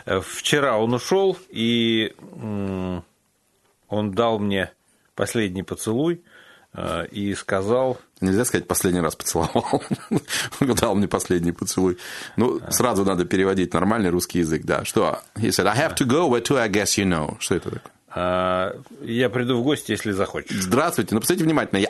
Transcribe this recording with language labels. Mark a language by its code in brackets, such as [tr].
[ru] Вчера он ушел, и он дал мне последний поцелуй. И сказал... Нельзя сказать «последний раз поцеловал». Дал мне последний поцелуй. Ну, сразу надо переводить нормальный русский язык, да. Что? [en] He said, I have to go, where to, I guess you know. [ru] Что это такое? Я приду в гости, если захочешь. Здравствуйте. Ну, посмотрите внимательно.